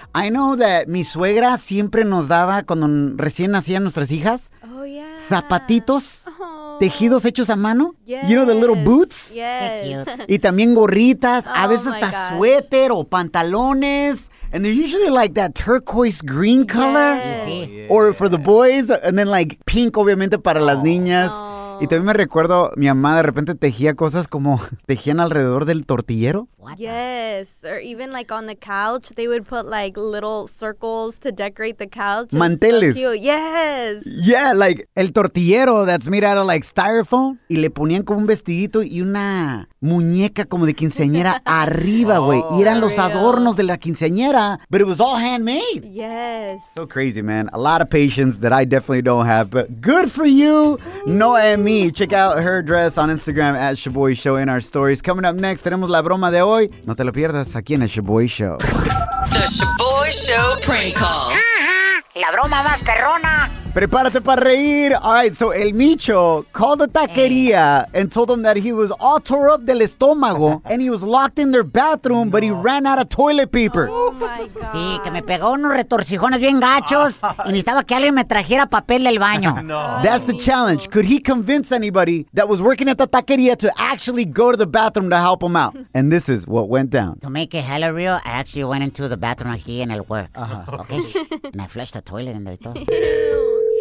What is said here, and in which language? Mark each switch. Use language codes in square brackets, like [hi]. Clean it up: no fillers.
[en] I know that [es] mi suegra siempre nos daba, cuando recién nacían nuestras hijas, zapatitos. Tejidos hechos a mano. [en] Yes. You know, the little boots. Yes. [es] Y también gorritas. A veces hasta suéter o pantalones. [en] And they're usually like that turquoise green color. Yes. Oh, yeah. Or for the boys. And then like pink, [es] obviamente, para las niñas. Oh. Y también me recuerdo, mi mamá de repente tejía cosas como, tejían alrededor del tortillero. [en] What yes, the? Or even like on the couch, they would put like little circles to decorate the couch. [es] Manteles. [en] So cute. Yes. Yeah, like el tortillero that's made out of like styrofoam. [es] Y le ponían como un vestidito y una muñeca como de quinceañera arriba, güey. Oh, y eran los adornos de la quinceañera. [en] But it was all handmade. Yes. So crazy, man. A lot of patience that I definitely don't have. But good for you, Noem. Me, check out her dress on Instagram at Shaboy Show in our stories. Coming up next, [es] tenemos la broma de hoy. No te lo pierdas aquí en el Shaboy Show. [en] The Shaboy Show prank call. [es] La broma más perrona. Prepárate para reír. [en] All right, so el Micho called the taquería and told them that he was all tore up [es] del estómago [en] and he was locked in their bathroom, but he ran out of toilet paper. Oh, my God. [es] Sí, que me pegó unos retorcijones bien gachos y necesitaba que alguien me trajera papel del baño. [en] No. That's the challenge. Could he convince anybody that was working at the taquería to actually go to the bathroom to help him out? And this is what went down. To make it hella real, I actually went into the bathroom [es] aquí en el [en] work. Uh-huh. Okay. And I flushed the toilet in there too.